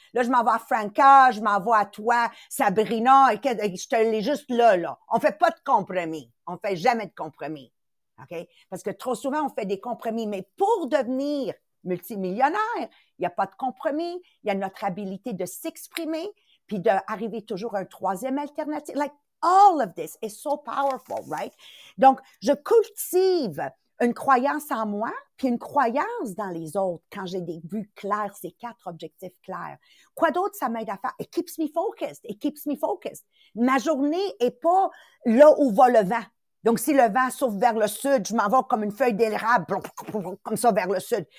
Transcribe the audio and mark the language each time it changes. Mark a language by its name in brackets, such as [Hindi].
[French] Là, je m'en vais à Franca, je m'en vais à toi, Sabrina, et je te l'ai juste là, là. On fait pas de compromis. On fait jamais de compromis. OK? Parce que trop souvent, on fait des compromis. Mais pour devenir multimillionnaire, il n'y a pas de compromis. Il y a notre habilité de s'exprimer, puis d'arriver toujours à une troisième alternative. [English] Like, all of this is so powerful, right? [French] Donc, je cultive une croyance en moi puis une croyance dans les autres quand j'ai des buts clairs, ces quatre objectifs clairs. Quoi d'autre ça m'aide à faire? [English] It keeps me focused. [French] It keeps me focused. Ma journée est pas là où va le vent. Donc, si le vent souffle vers le sud, je m'en vais comme une feuille d'érable, comme ça vers le sud.